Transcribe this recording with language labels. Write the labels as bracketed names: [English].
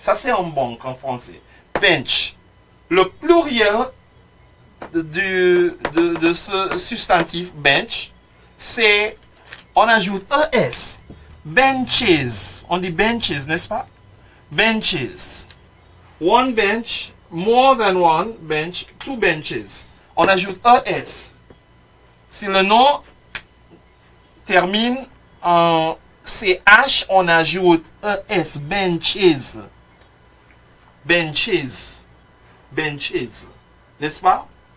[French] Ça, c'est en banque en français. Bench. Le pluriel de ce substantif bench, c'est. On ajoute ES. Benches. On dit benches, n'est-ce pas? Benches. [English] One bench, more than one bench, two benches. [French] On ajoute ES. Si le nom termine en CH, on ajoute ES. Benches. Benches. Benches. N'est-ce pas?